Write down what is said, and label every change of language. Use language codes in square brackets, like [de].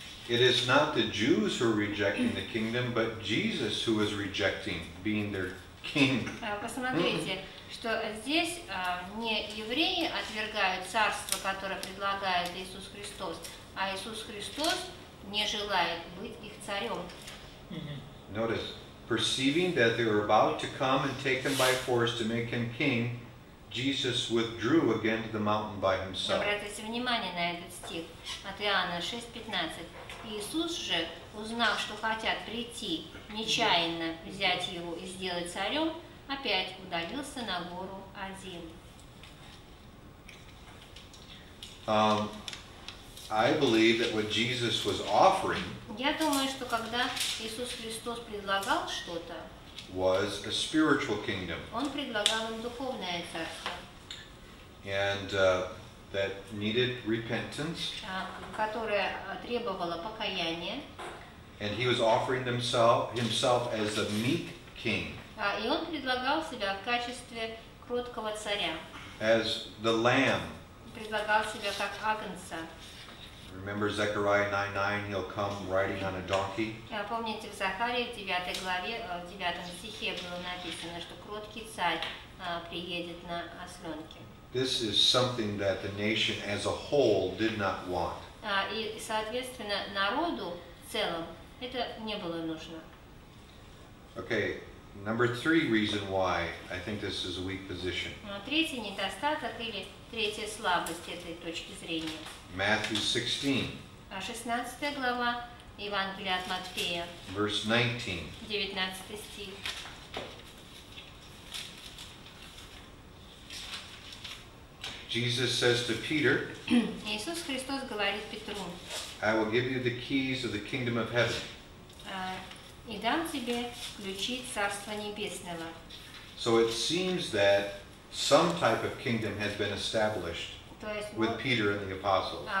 [en] it is not the Jews who are rejecting the kingdom, but Jesus who is rejecting being their king. [ru] Посмотрите, что здесь не евреи отвергают царство, которое предлагает Иисус Христос, а Иисус Христос не желает быть их царем. [en] Notice, perceiving that they were about to come and take him by force to make him king, Jesus withdrew again to the mountain by himself. [ru] Обратите внимание на этот стих от Иоанна 6:15. Иисус же, узнав, что хотят прийти нечаянно взять его и сделать царем, опять удалился на гору один. [en] I believe that what Jesus was offering, [ru] я думаю, что когда Иисус Христос предлагал что-то, [en] was a spiritual kingdom. [ru] Он предлагал им духовное царство. [en] And that needed repentance. [ru] Которое требовало покаяния. [en] And he was offering himself as a meek king. [ru] И он предлагал себя в качестве кроткого царя. [en] As the lamb. [ru] Предлагал себя как агнца. [en] Remember Zechariah 9:9, he'll come riding on a donkey. [ru] Помните, в Захарии 9 главе, в 9 стихе было написано, что кроткий царь приедет на осленке. [en] This is something that the nation as a whole did not want. [ru] И, соответственно, народу в целом это не было нужно. [en] Okay, Number three reason why I think this is a weak position. [ru] Третий недостаток или третья слабость этой точки зрения. [en] Matthew 16. [ru] А 16 глава Евангелия от Матфея. [en] Verse 19. [ru] 19 стих. [en] Jesus says to Peter, [ru] Иисус Христос говорит Петру, [en] I will give you the keys of the kingdom of heaven. [ru] И дам тебе ключи Царства Небесного. [en] So it seems that some type of kingdom has been established with Peter and the apostles.